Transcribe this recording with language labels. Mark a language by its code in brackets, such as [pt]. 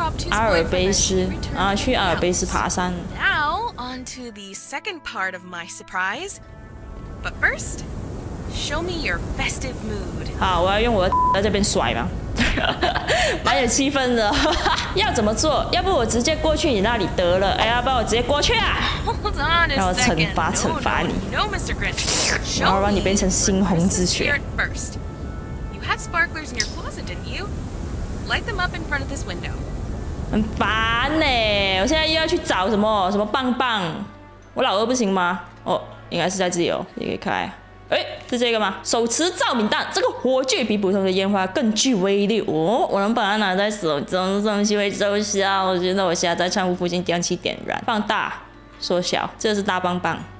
[zh] 阿尔卑斯啊，去阿尔卑斯爬山。 [en] Now on to the second part of my surprise, but first. Show me your festive mood. [zh] 好，我要用我的在这边甩吗？蛮有气氛的。要怎么做？要不我直接过去你那里得了。哎呀，不然我直接过去啊！让我惩罚惩罚你。 [en] No, Mr. Grinch. [zh] 然后让你变成猩红之血。 [en] You had sparklers in your closet, didn't you? Light them up in front of this window. [zh] 很烦呢、欸，我现在又要去找什么什么棒棒，我老二不行吗？哦，应该是在这里哦，也可以开。哎，是这个吗？手持照明弹，这个火炬比普通的烟花更具威力哦。我能把它拿在手中，这东西会奏效。我觉得我现在在窗户附近将其点燃，放大、缩小，这是大棒棒。